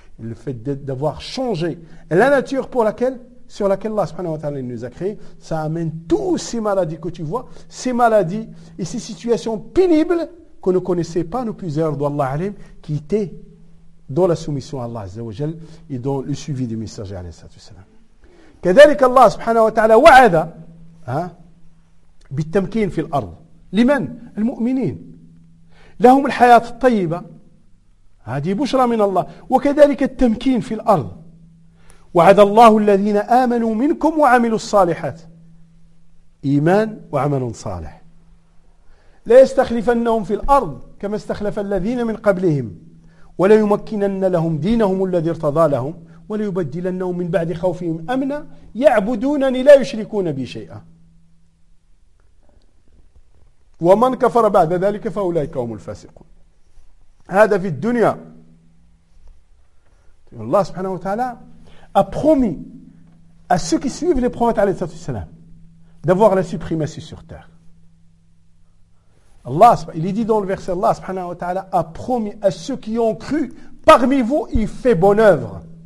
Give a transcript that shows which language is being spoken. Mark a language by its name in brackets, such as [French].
[French] Le fait d'avoir changé la nature sur laquelle Allah subhanahu wa ta'ala nous a créé, ça amène tous ces maladies que tu vois, ces maladies et ces situations pénibles qu'on ne connaissait pas, nous plusieurs d'Allah Alim, qui étaient dans la soumission à Allah Azza wa Jal et dans le suivi des messagers alayhi salatu wassalam. [Arabic] كذلك الله سبحانه وتعالى وعد بالتمكين في الأرض لمن؟ المؤمنين. لهم الحياة الطيبة، هذه بشرى من الله، وكذلك التمكين في الأرض. وعد الله الذين آمنوا منكم وعملوا الصالحات، إيمان وعمل صالح، لا يستخلفنهم في الأرض كما استخلف الذين من قبلهم، ولا يمكنن لهم دينهم الذي ارتضى لهم، ولا يبدلنهم من بعد خوفهم أمنا، يعبدونني لا يشركون بي شيئا، ومن كفر بعد ذلك فأولئك هم الفاسقون. هذا في الدنيا. الله سبحانه وتعالى [French] a promis à ceux qui suivent les prophètes d'avoir la suprématie sur terre. Allah, il est dit dans le verset, Allah subhanahu wa ta'ala a promis à ceux qui ont cru parmi vous, il fait bonne œuvre.